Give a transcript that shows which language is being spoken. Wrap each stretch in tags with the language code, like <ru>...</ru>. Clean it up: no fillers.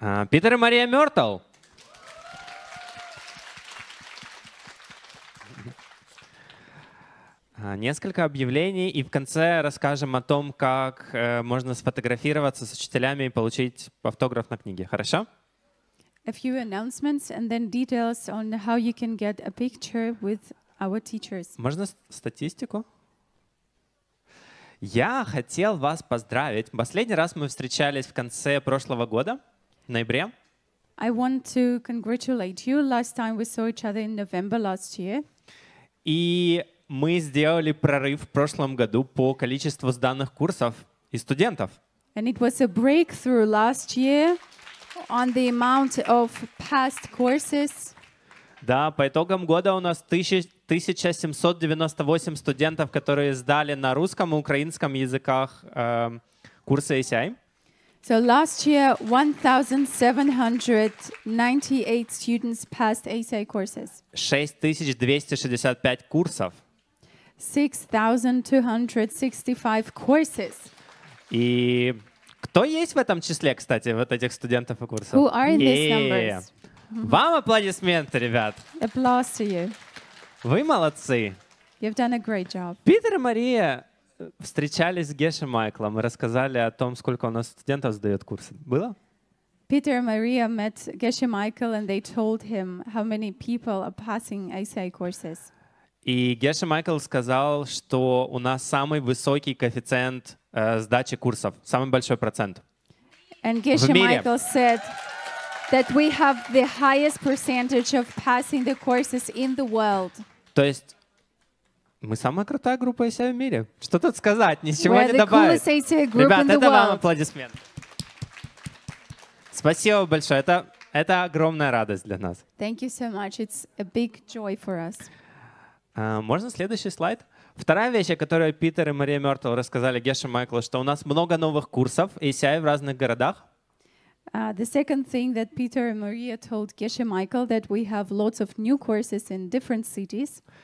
<ru>Питер и Мария Мёртл. Несколько объявлений, и в конце расскажем о том, как можно сфотографироваться с учителями и получить автограф на книге. Хорошо?</ru> <en>A few announcements and then details on how you can get a picture with our teachers.</en> <ru>Можно статистику? Я хотел вас поздравить. Последний раз мы встречались в конце прошлого года. В ноябре.</ru> <en>I want to congratulate you. Last time we saw each other in November last year.</en> <ru>И мы сделали прорыв в прошлом году по количеству сданных курсов и студентов.</ru> <en>And it was a breakthrough last year on the amount of passed courses.</en> <ru>Да, по итогам года у нас 1798 студентов, которые сдали на русском и украинском языках курсы ACI.</ru> <en>So last year, 1,798 students passed ACI courses.</en> <ru>6,265 курсов.</ru> <en>6,265 courses.</en> <ru>И кто есть в этом числе, кстати, вот этих студентов и курсов?</ru> <en>Who are in these numbers?</en> <ru>Вам аплодисменты, ребят.</ru> <en>Applause to you.</en> <ru>Вы молодцы.</ru> <en>You've done a great job.</en> <ru>Питер и Мария. Встречались с Гешем Майклом и рассказали о том, сколько у нас студентов сдают курсы. Было?</ru> <en>Peter and Maria met Geshe Michael and they told him how many people are passing ACI courses.</en> <ru>И Геша Майкл сказал, что у нас самый высокий коэффициент сдачи курсов, самый большой процент.</ru> <en>And Geshe Michael said that we have the highest percentage of passing the courses in the world.</en> <ru>То есть Мы самая крутая группа из себя в мире. Что тут сказать? Ничего не добавить. Ребят, это вам аплодисмент. Спасибо большое. Это огромная радость для нас.</ru> <en>Thank you so much. It's a big joy for us.</en> <ru>Можно следующий слайд? Вторая вещь, о которой Питер и Мария Мёртл рассказали Геше Майклу, что у нас много новых курсов ACI в разных городах.</ru> <en>The second thing that Peter and Maria told Geshe Michael that we have lots of new courses in different cities.</en>